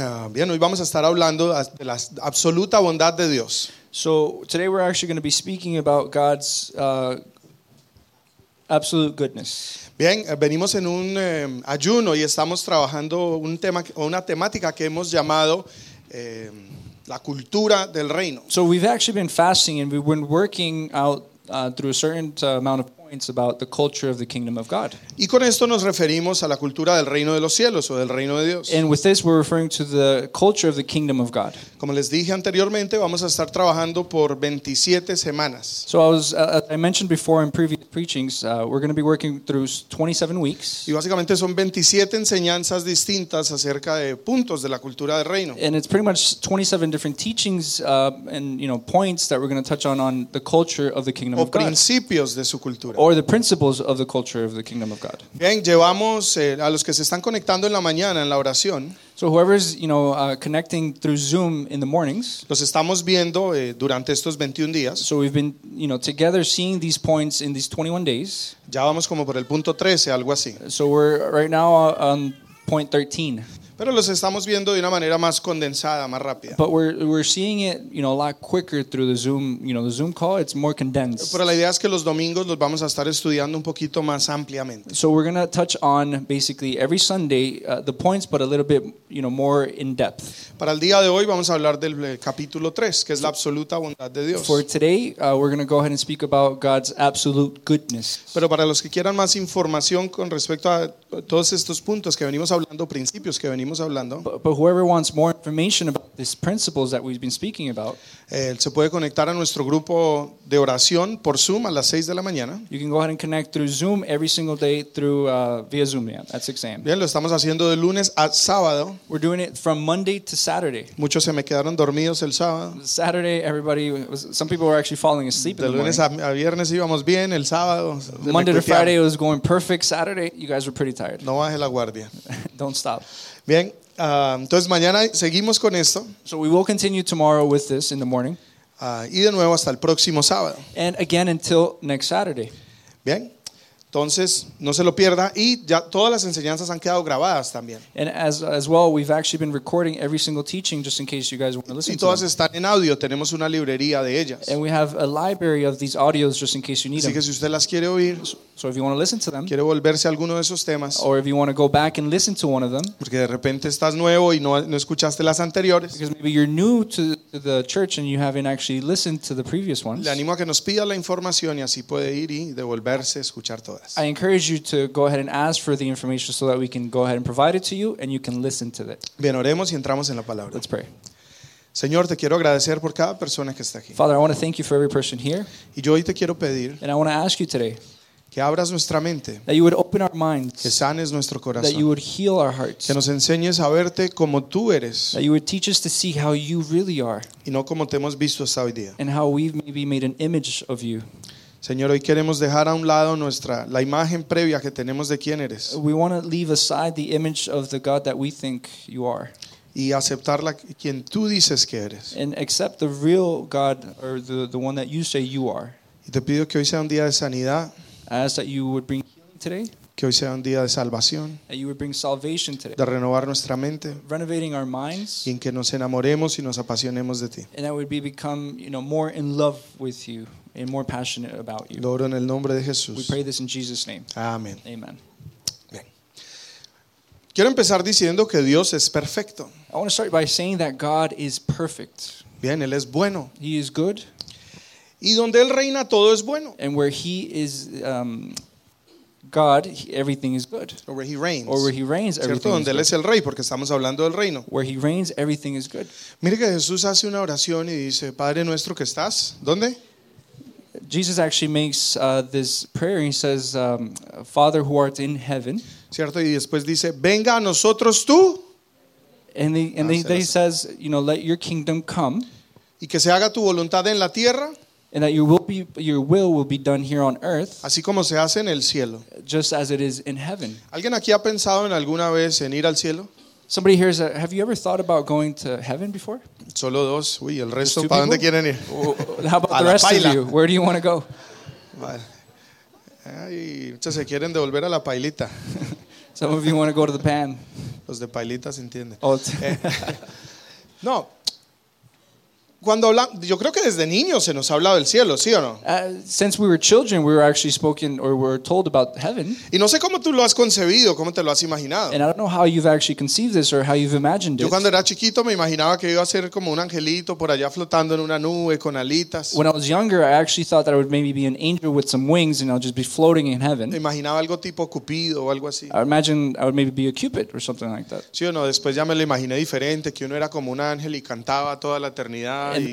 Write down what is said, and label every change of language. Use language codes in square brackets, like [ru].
[es] Bien, hoy vamos a estar hablando de la absoluta bondad de Dios. [en] So, today we're actually going to be speaking about God's absolute goodness. [es] Bien, venimos en un ayuno y estamos trabajando un tema o una temática que hemos llamado la cultura del reino. [en] So, we've actually been fasting and we've been working out through a certain amount of points about the culture of the kingdom of God. [es] Y con esto nos referimos a la cultura del reino de los cielos o del reino de Dios. [en] And with this we're referring to the culture of the kingdom of God. [es] Como les dije anteriormente, vamos a estar trabajando por 27 semanas. [en] So as I mentioned before in previous preachings, we're going to be working through 27 weeks. [es] Y básicamente son 27 enseñanzas distintas acerca de puntos de la cultura del reino. [en] And it's pretty much 27 different teachings and you know points that we're going to touch on the culture of the kingdom [es] o [en] of God. [es] O principios de su cultura. [en] Or the principles of the culture of the kingdom of God. [es] Bien, llevamos a los que se están conectando en la mañana en la oración. [en] So whoever is, you know, connecting through Zoom in the mornings. [es] Los estamos viendo durante estos 21 días. [en] So we've been, you know, together seeing these points in these 21 days. [es] Ya vamos como por el punto 13, algo así. [en] So we're right now on point 13. [es] Pero los estamos viendo de una manera más condensada, más rápida. [en] But we're seeing it, you know, a lot quicker through the Zoom, you know, the Zoom call. It's more condensed. [es] Pero la idea es que los domingos los vamos a estar estudiando un poquito más ampliamente. [en] So we're going to touch on basically every Sunday the points, but a little bit, you know, more in depth. [es] Para el día de hoy vamos a hablar del capítulo 3, que es la absoluta bondad de Dios. [en] For today, we're going to go ahead and speak about God's absolute goodness. [es] Pero para los que quieran más información con respecto a todos estos puntos que venimos hablando, principios que venimos hablando, [en] but whoever wants more information about these principles that we've been speaking about, [es] se puede conectar a nuestro grupo de oración por Zoom a las 6 de la mañana. [en] You can go ahead and connect through Zoom every single day through via Zoom, yeah, at 6 a.m. [es] Bien, lo estamos haciendo de lunes a sábado. [en] We're doing it from Monday to Saturday. [es] Muchos se me quedaron dormidos el sábado. [en] Saturday, everybody, some people were actually falling asleep. [es] De lunes a viernes íbamos bien, el sábado. [en] Monday to Friday was going perfect. Saturday, you guys were pretty tired. [es] No baje la guardia. [en] Don't stop. [es] Bien, entonces mañana seguimos con esto. [en] So we will continue tomorrow with this in the morning. [es] Y de nuevo hasta el próximo sábado. [en] And again until next Saturday. [es] Bien, entonces no se lo pierda y ya todas las enseñanzas han quedado grabadas también. [en] And as well, we've actually been recording every single teaching just in case you guys want to listen to them. [es] Y todas están en audio, tenemos una librería de ellas. [en] And we have a library of these audios just in case you need them. [es] Así que si usted las quiere oír. [en] So if you want to listen to them, [es] quiere volverse a alguno de esos temas, [en] or if you want to go back and listen to one of them, [es] porque de repente estás nuevo y no escuchaste las anteriores, [en] because maybe you're new to the church and you haven't actually listened to the previous ones, [es] le animo a que nos pida la información y así puede ir y devolverse a escuchar todas. [en] I encourage you to go ahead and ask for the information so that we can go ahead and provide it to you and you can listen to it. [es] Bien, oremos y entramos en la palabra. [en] Let's pray. [es] Señor, te quiero agradecer por cada persona que está aquí. [en] Father, I want to thank you for every person here. [es] Y yo hoy te quiero pedir. [en] And I want to ask you today. [es] Que abras nuestra mente. [en] That you would open our minds. [es] Que sanes nuestro corazón. [en] That you would heal our hearts. [es] Que nos enseñes a verte como tú eres. [en] That you would teach us to see how you really are. [es] Y no como te hemos visto hasta hoy día. [en] And how we've maybe made an image of you. [es] Señor, hoy queremos dejar a un lado la imagen previa que tenemos de quién eres. [en] We want to leave aside the image of the God that we think you are. [es] Y aceptar quien tú dices que eres. [en] And accept the real God or the one that you say you are. [es] Y te pido que hoy sea un día de sanidad. [en] I ask that you would bring healing today. [es] Que hoy sea un día de salvación. [en] That you would bring salvation today. [es] De renovar nuestra mente. [en] Renovating our minds. [es] Y en que nos enamoremos y nos apasionemos de ti. [en] And that we become, you know, more in love with you and more passionate about you. [es] Lo oro en el nombre de Jesús. [en] We pray this in Jesus' name. Amen. Amen. [es] Bien. Quiero empezar diciendo que Dios es perfecto. [en] I want to start by saying that God is perfect. [es] Bien, Él es bueno. [en] He is good. [es] Y donde Él reina, todo es bueno. [en] And where He is God, everything is good. Or where He reigns. Or where He reigns, everything [es] ¿cierto? Donde Él [en] good. [es] Es el Rey, porque estamos hablando del reino. [en] Where He reigns, everything is good. [es] Mire que Jesús hace una oración y dice, Padre nuestro que estás, ¿dónde? [en] Jesus actually makes this prayer. He says, Father who art in heaven. [es] ¿Cierto? Y después dice, venga a nosotros tú. [en] And he says, you know, let your kingdom come. [es] Y que se haga tu voluntad en la tierra. [en] And that your will be done here on earth. [es] Así como se hace en el cielo. [en] Just as it is in heaven. [es] ¿Alguien aquí ha pensado en alguna vez en ir al cielo? [en] Somebody here have you ever thought about going to heaven before? [es] Solo dos. Uy, el resto, ¿para dónde quieren ir? [en] How about the rest of you? Where do you want to go? [es] Vale. Ay, muchos se quieren devolver a la pailita. [en] Some of you want to go to the pan. [es] Los de pailitas entienden. Oh, no. Cuando habla, yo creo que desde niños se nos ha hablado del cielo, ¿sí o no? [en] Since we were children, we were actually spoken or were told about heaven. [es] Y no sé cómo tú lo has concebido, cómo te lo has imaginado. [en] And I don't know how you've actually conceived this or how you've imagined it. [es] Yo cuando era chiquito me imaginaba que iba a ser como un angelito por allá flotando en una nube con alitas. [en] When I was younger, I actually thought that I would maybe be an angel with some wings and I'll just be floating in heaven. [es] Me imaginaba algo tipo Cupido o algo así. [en] I imagined I would maybe be a Cupid or something like that. [es] Sí o no, después ya me lo imaginé diferente, que uno era como un ángel y cantaba toda la eternidad.